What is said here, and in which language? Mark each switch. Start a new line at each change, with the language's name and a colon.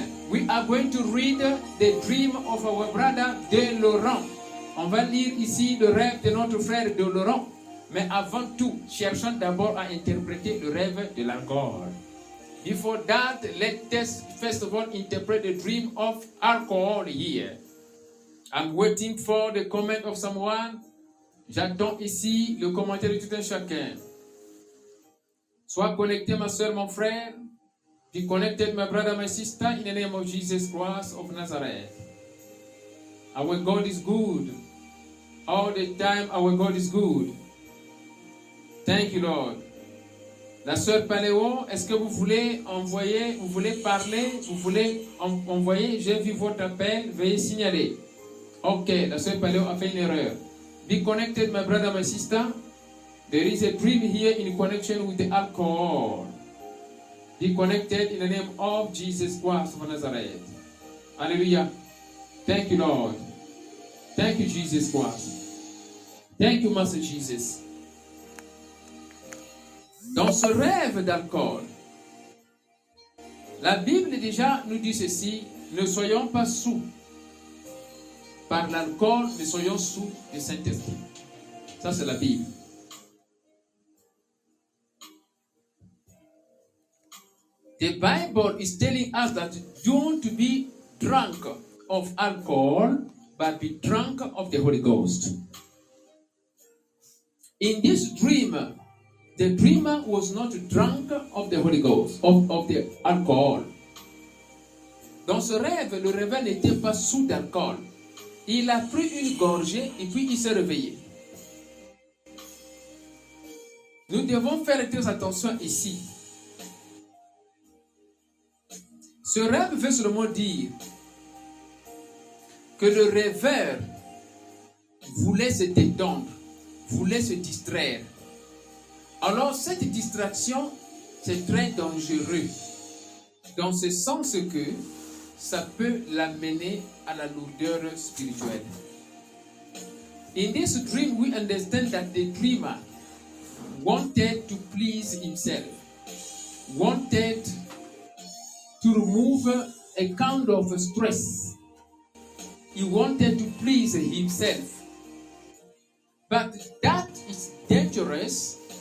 English: We are going to read the dream of our brother de Laurent.
French: On va lire ici le rêve de notre frère de Laurent. Mais avant tout, cherchons d'abord à interpréter le rêve de l'alcool.
English: Before that, let us first of all interpret the dream of alcohol here. I'm waiting for the comment of someone.
French: J'attends ici le commentaire de tout un chacun. Sois connecté, ma soeur, mon frère.
English: Be connected, my brother, my sister, in the name of Jesus Christ of Nazareth. Our God is good. All the time, our God is good. Thank you, Lord.
French: La sœur Paléo, est-ce que vous voulez envoyer, vous voulez parler, vous voulez envoyer, j'ai vu votre appel, veuillez signaler. Ok, la sœur Paléo a fait une erreur.
English: Be connected, my brother, my sister. There is a dream here in connection with the alcohol. Be connected in the name of Jesus Christ of Nazareth. Alléluia. Thank you, Lord. Thank you, Jesus Christ. Thank you, Master Jesus.
French: Dans ce rêve d'alcool, la Bible déjà nous dit ceci, ne soyons pas sous par l'alcool, mais soyons sous du Saint-Esprit. Ça, c'est la Bible.
English: The Bible is telling us that don't be drunk of alcohol, but be drunk of the Holy Ghost. In this dream, the dreamer was not drunk of the Holy Ghost, of the alcohol.
French: Dans ce rêve, le rêveur n'était pas sous d'alcool. Il a pris une gorgée et puis il s'est réveillé. Nous devons faire très attention ici. Ce rêve veut seulement dire que le rêveur voulait se détendre, voulait se distraire. Alors, cette distraction, c'est très dangereux. Dans ce sens que ça peut l'amener à la lourdeur spirituelle.
English: In this dream, we understand that the dreamer wanted to please himself, wanted to remove a kind of stress. He wanted to please himself. But that is dangerous.